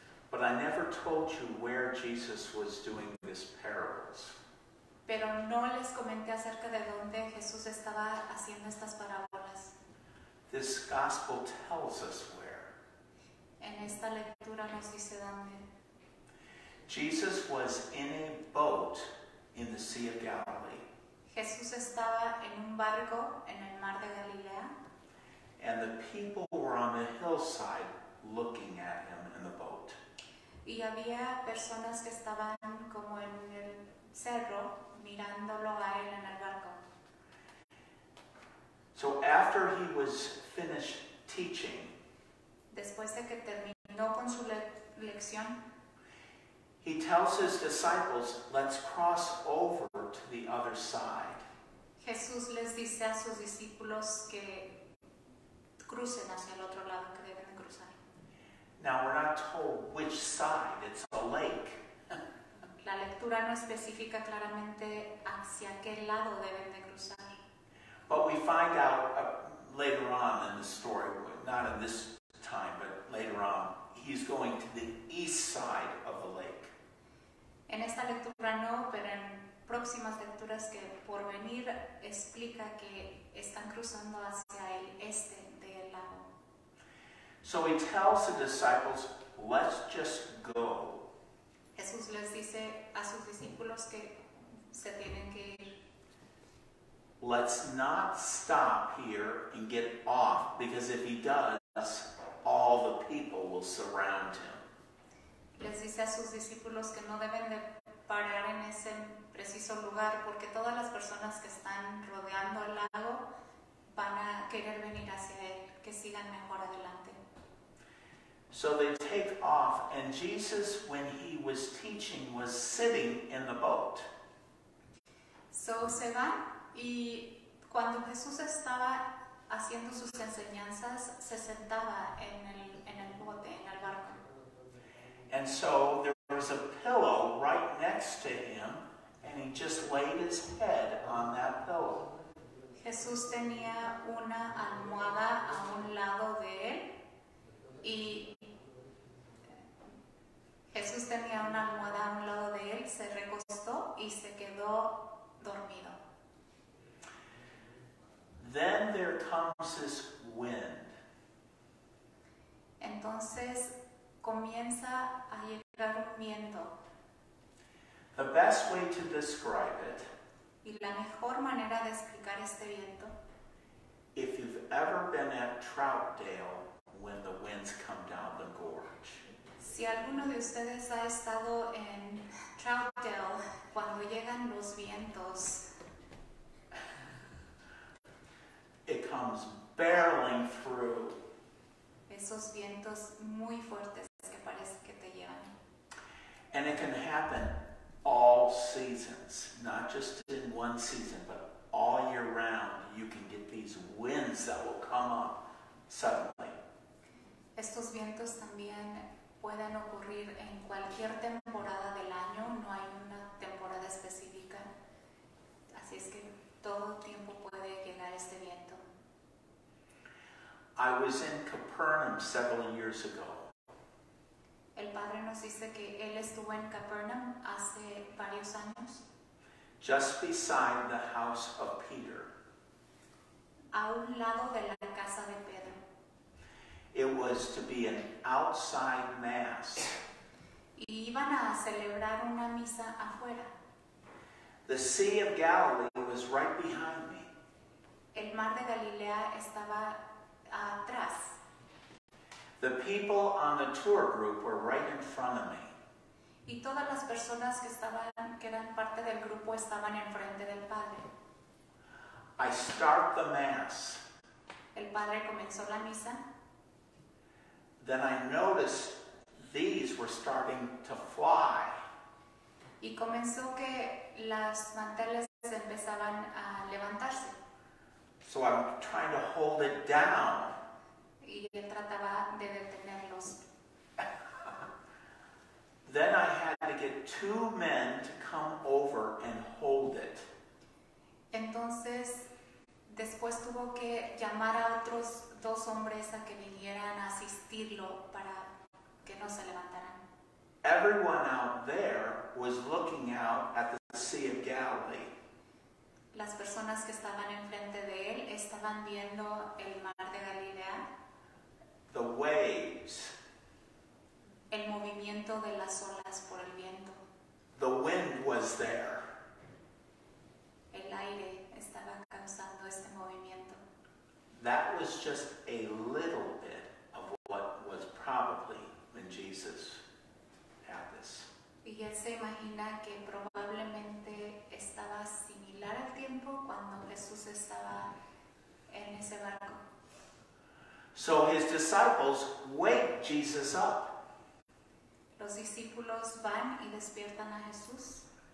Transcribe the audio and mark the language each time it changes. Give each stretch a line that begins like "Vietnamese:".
English: But I never told you where Jesus was doing these parables.
Spanish: Pero no les comenté acerca de dónde Jesús estaba haciendo estas parábolas.
English: This gospel tells us where.
Spanish: En esta lectura nos dice dónde.
English: Jesus was in a boat in the Sea of Galilee.
Spanish: Jesús estaba en un barco en el mar de Galilea.
English: And the people were on the hillside looking at him in the boat.
Spanish: Y había personas que estaban como en el cerro mirándolo a él en el barco.
English: So after he was finished teaching,
Spanish: después de que terminó con su lección,
English: he tells his disciples, let's cross over to the other side.
Spanish: Jesús les dice a sus discípulos que crucen hacia el otro lado, que deben de cruzar.
English: Now we're not told which which side. It's a lake.
Spanish: La lectura no especifica claramente hacia qué lado deben de cruzar.
English: But we find out later on in the story, not in this time, but later on, he's going to the east side of the lake.
Spanish: En esta lectura no, pero en próximas lecturas que por venir explica que están cruzando hacia el este del lago.
English: So he tells the disciples, let's just go.
Spanish: Jesús les dice a sus discípulos que se tienen que ir.
English: Let's not stop here and get off, because if he does, all the people will surround him.
Spanish: Les dice a sus discípulos que no deben de parar en ese preciso lugar, porque todas las personas que están rodeando el lago van a querer venir hacia él, que sigan mejor adelante.
English: So they take off, and Jesus, when he was teaching, was sitting in the boat.
Spanish: So se van, y cuando Jesús estaba haciendo sus enseñanzas, se sentaba en el bote, en el barco.
English: And so there was a pillow right next to him, and he just laid his head on that pillow.
Spanish: Jesús tenía una almohada a un lado de él, y Jesús tenía una almohada a un lado de él, se recostó y se quedó dormido.
English: Then there comes this wind.
Spanish: Entonces comienza a llegar un viento.
English: The best way to describe it.
Spanish: Y la mejor manera de explicar este viento.
English: If you've ever been at Troutdale when the winds come down the gorge.
Spanish: Si alguno de ustedes ha estado en Troutdale cuando llegan los vientos.
English: It comes barreling through.
Spanish: Esos vientos muy fuertes que parece que te llevan.
English: And it can happen all seasons, not just in one season, but all year round. You can get these winds that will come up suddenly.
Spanish: Estos vientos también pueden ocurrir en cualquier temporada del año. No hay una temporada específica. Así es que todo tiempo puede llegar este viento.
English: I was in Capernaum several years ago.
Spanish: El padre nos dice que él estuvo en Capernaum hace varios años.
English: Just beside the house of Peter.
Spanish: A un lado de la casa de Pedro.
English: It was to be an outside mass.
Spanish: Y iban a celebrar una misa afuera.
English: The Sea of Galilee was right behind me.
Spanish: El Mar de Galilea estaba atrás.
English: The people on the tour group were right in front of me.
Spanish: Y todas las personas que eran parte del grupo estaban en frente del padre.
English: I start the mass.
Spanish: El padre comenzó la misa.
English: Then I noticed these were starting to fly.
Spanish: Y comenzó que las manteles empezaban a levantarse.
English: So I'm trying to hold it down.
Spanish: Y él trataba de detenerlos.
English: Then I had to get two men to come over and hold it.
Spanish: Entonces, después tuvo que llamar a otros dos hombres a que vinieran a asistirlo para que no se levantaran.
English: Everyone out there was looking out at the Sea of Galilee.
Spanish: Las personas que estaban enfrente de él estaban viendo el Mar de Galilea.
English: The waves.
Spanish: El movimiento de las olas por el viento.
English: The wind was there.
Spanish: El aire estaba causando este movimiento.
English: That was just a little bit of what was probably when Jesus had this.
Spanish: Y él se imagina que probablemente estaba similar al tiempo cuando Jesús estaba en ese barco.
English: So his disciples wake Jesus up.
Spanish: Los discípulos van y despiertan a Jesús.